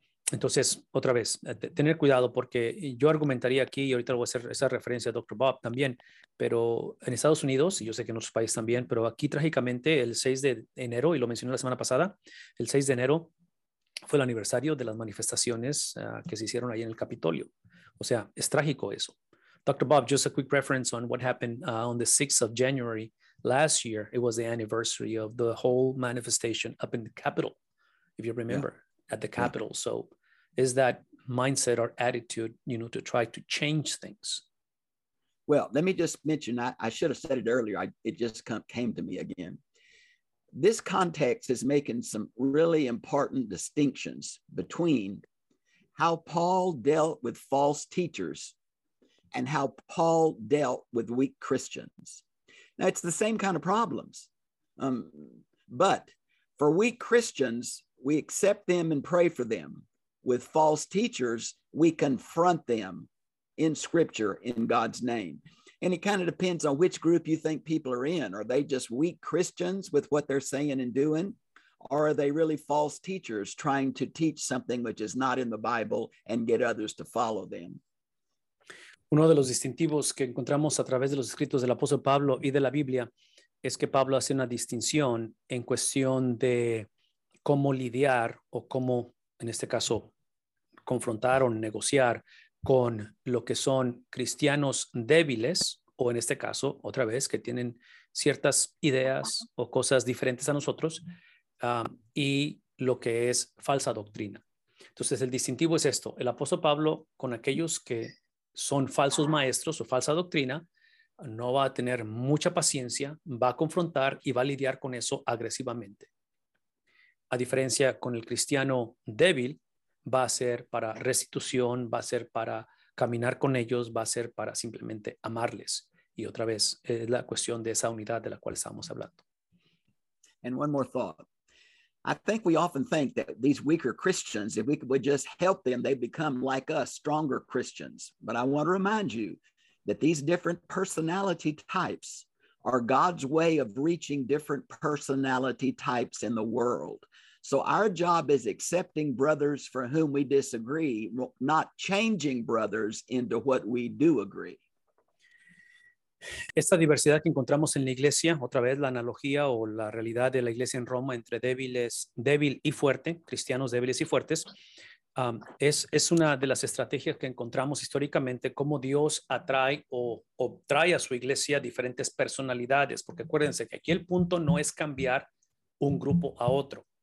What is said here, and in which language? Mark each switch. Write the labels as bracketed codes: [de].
[es] Entonces, otra vez, tener cuidado, porque yo argumentaría aquí, y ahorita voy a hacer esa referencia a Dr. Bob también, pero en Estados Unidos, y yo sé que en otros países también, pero aquí trágicamente el 6 de enero, y lo mencioné la semana pasada, el 6 de enero fue el aniversario de las manifestaciones que se hicieron ahí en el Capitolio. O sea, es trágico eso. Dr. [en] Bob, just a quick reference on what happened on the 6th of January last year. It was the anniversary of the whole manifestation up in the Capitol, if you remember. Yeah. At the Capitol. Yeah. So is that mindset or attitude, you know, to try to change things? Well, let me just mention, I should have said it earlier. It just came to me again. This context is making some really important distinctions between how Paul dealt with false teachers and how Paul dealt with weak Christians. Now, it's the same kind of problems. But for weak Christians, we accept them and pray for them. With false teachers, we confront them in Scripture, in God's name. And it kind of depends on which group you think people are in. Are they just weak Christians with what they're saying and doing? Or are they really false teachers trying to teach something which is not in the Bible and get others to follow them? [es] Uno de los distintivos que encontramos a través de los escritos del apóstol Pablo y de la Biblia es que Pablo hace una distinción en cuestión de cómo lidiar o cómo, en este caso, confrontar o negociar con lo que son cristianos débiles o, en este caso, otra vez, que tienen ciertas ideas o cosas diferentes a nosotros y lo que es falsa doctrina. Entonces, el distintivo es esto. El apóstol Pablo, con aquellos que son falsos maestros o falsa doctrina, no va a tener mucha paciencia, va a confrontar y va a lidiar con eso agresivamente. A diferencia con el cristiano débil, va a ser para restitución, va a ser para caminar con ellos, va a ser para simplemente amarles. Y otra vez, es la cuestión de esa unidad de la cual estamos hablando. [en] And one more thought. I think we often think that these weaker Christians, if we would just help them, they become like us, stronger Christians. But I want to remind you that these different personality types are God's way of reaching different personality types in the world. So our job is accepting brothers for whom we disagree, not changing brothers into what we do agree. [es] Esta diversidad que encontramos en la iglesia, otra vez la analogía o la realidad de la iglesia en Roma entre débiles, débil y fuerte, cristianos débiles y fuertes, es una de las estrategias que encontramos históricamente, cómo Dios atrae o obtrae a su iglesia diferentes personalidades, porque acuérdense que aquí el punto no es cambiar un grupo a otro.